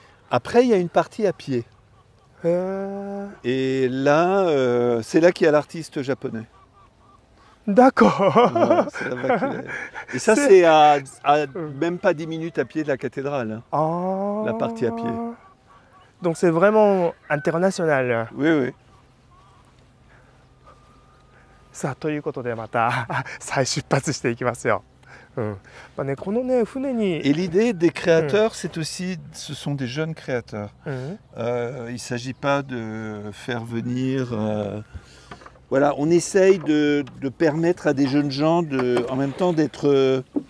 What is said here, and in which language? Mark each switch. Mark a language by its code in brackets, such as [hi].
[fr] Après, il y a une partie à pied. Et là, c'est là qu'il y a l'artiste japonais. D'accord. Et ça, c'est à même pas 10 minutes à pied de la cathédrale, la partie à pied. Donc c'est vraiment international. Oui, oui. [ja] さあ、ということでまた再出発していきますよ。まあね、このね、船に… [fr] Et l'idée des créateurs, c'est aussi… Ce sont des jeunes créateurs. Il ne s'agit pas de faire venir… Voilà, on essaye de permettre à des jeunes gens de, en même temps d'être…